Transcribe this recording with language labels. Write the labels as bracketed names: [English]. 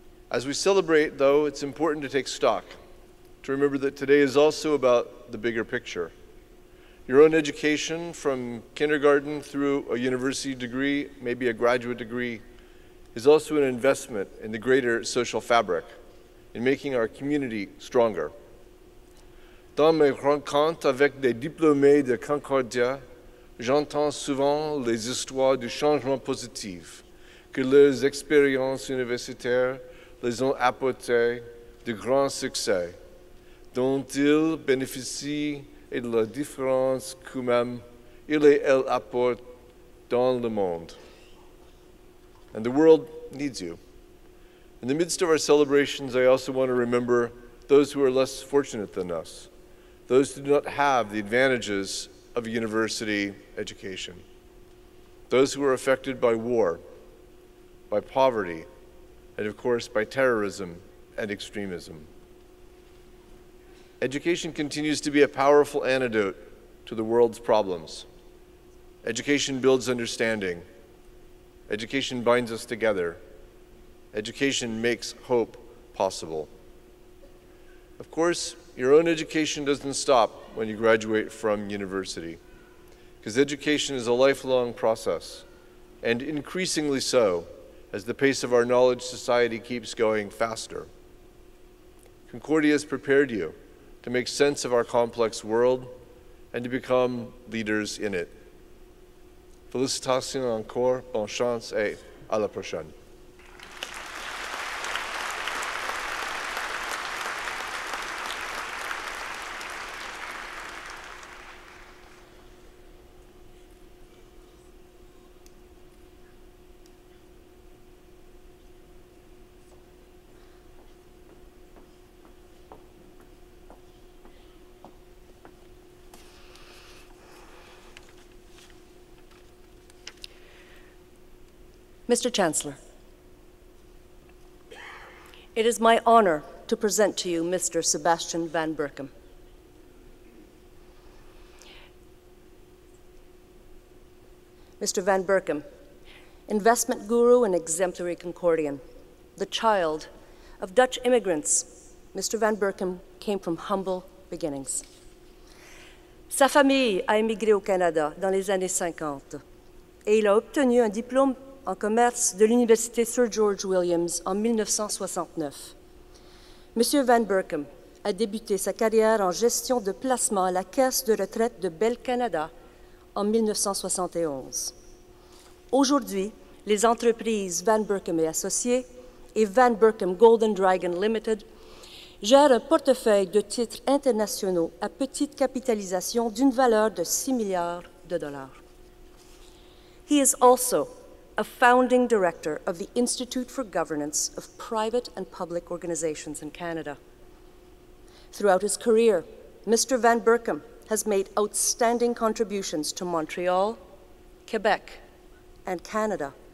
[English] As we celebrate, though, it's important to take stock, to remember that today is also about the bigger picture. Your own education from kindergarten through a university degree, maybe a graduate degree, is also an investment in the greater social fabric, in making our community stronger. [French] Dans mes rencontres avec des diplômés de Concordia, j'entends souvent les histoires du changement positif que leurs expériences universitaires les ont apporté de grands succès, dont ils bénéficient et de la différence que même ils et elles apportent dans le monde. [English] And the world needs you. In the midst of our celebrations, I also want to remember those who are less fortunate than us, those who do not have the advantages of a university education, those who are affected by war, by poverty, and of course by terrorism and extremism. Education continues to be a powerful antidote to the world's problems. Education builds understanding. Education binds us together. Education makes hope possible. Of course, your own education doesn't stop when you graduate from university, because education is a lifelong process, and increasingly so as the pace of our knowledge society keeps going faster. Concordia has prepared you to make sense of our complex world and to become leaders in it. [French] Félicitations encore, bonne chance et à la prochaine. [English] Mr. Chancellor, it is my honor to present to you Mr. Sebastian Van Berkom. Mr. Van Berkom, investment guru and exemplary Concordian, the child of Dutch immigrants, Mr. Van Berkom came from humble beginnings. [French] Sa famille a immigré au Canada dans les années 50 et il a obtenu un diplôme en commerce de l'Université Sir George Williams en 1969. Monsieur Van Berkom a débuté sa carrière en gestion de placement à la Caisse de retraite de Bell Canada en 1971. Aujourd'hui, les entreprises Van Berkom et Associés et Van Berkom Golden Dragon Limited gèrent un portefeuille de titres internationaux à petite capitalisation d'une valeur de 6 milliards de dollars. [English] He is also a founding director of the Institute for Governance of Private and Public Organizations in Canada. Throughout his career, Mr. Van Berkom has made outstanding contributions to Montreal, Quebec, and Canada.